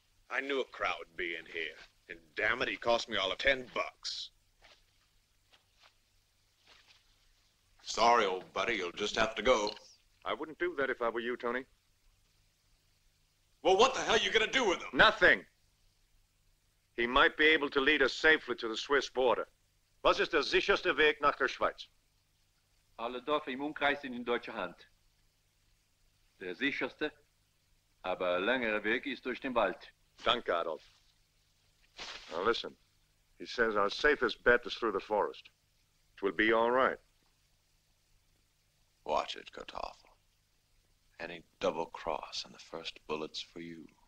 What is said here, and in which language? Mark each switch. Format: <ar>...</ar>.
<en>I knew a crowd would be in here. And damn it, he cost me all of $10. Sorry, old buddy, you'll just have to go. I wouldn't do that if I were you, Tony. Well, what the hell are you gonna do with him? Nothing. He might be able to lead us safely to the Swiss border.</en> <de>Was ist der sicherste Weg nach der Schweiz? Alle Dörfer im Umkreis sind in deutscher Hand. Der sicherste, aber längere Weg ist durch den Wald. Danke, Adolf.</de> <en>Now listen, he says our safest bet is through the forest. It will be all right. Watch it, Kartoffel. Any double cross and the first bullet's for you.</en>